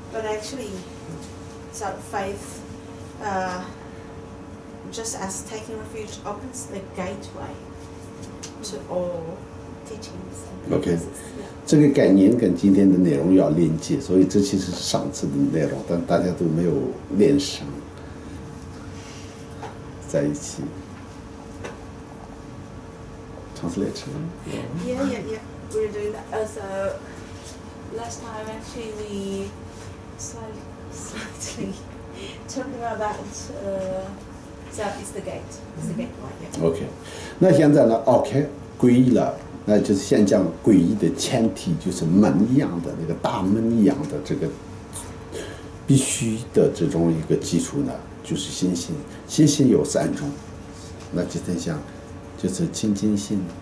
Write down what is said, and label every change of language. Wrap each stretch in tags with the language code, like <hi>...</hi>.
<en>But actually, so faith, just as taking refuge opens the gateway to all teachings.</en> <zh>Okay, 这个概念跟今天的内容要连接，所以这其实是上次的内容，但大家都没有练成在一起。</zh> <en>Yeah, we're doing that. So last time actually we slightly talked about so it's the gate, it's the gateway.</en> <zh>Okay, 那现在呢 ？Okay, 皈依了，那就是先讲皈依的前提，就是门一样的那个大门一样的这个必须的这种一个基础呢，就是信心。信心有三种，那今天讲就是清净心。</zh>